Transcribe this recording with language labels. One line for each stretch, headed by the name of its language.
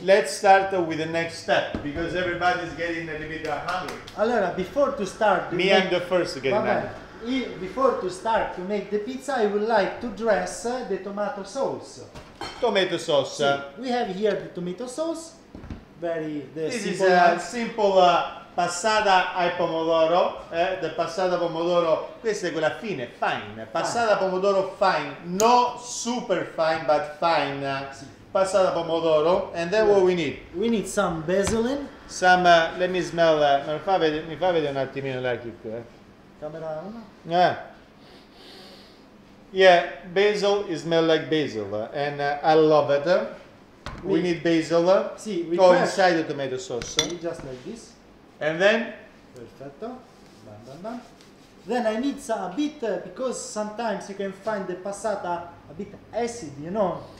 English: Let's start with the next step, because everybody's getting a little bit hungry. Allora, before to start... Me, I'm the first getting hungry. Before to start to make the pizza, I would like to dress the tomato sauce. Tomato sauce.
Italian: Si.
English: We have here the tomato sauce. This is a simple passata ai pomodoro, the passata pomodoro, questa è quella fine, fine, passata pomodoro fine, no super fine, but fine, passata pomodoro, and then what we need? We need some basil.
Italian: Some, let me smell, mi fa vedere un attimino la chicca.
English: Camera 1? Yeah, basil, it smells like basil, and I love it. We need basil.
Italian: Si,
English: go inside the tomato sauce. Just like this. And then?
Italian: Perfetto. Bam, bam, bam.
English: Then I need a bit, because sometimes you can find the passata a bit acid, you know?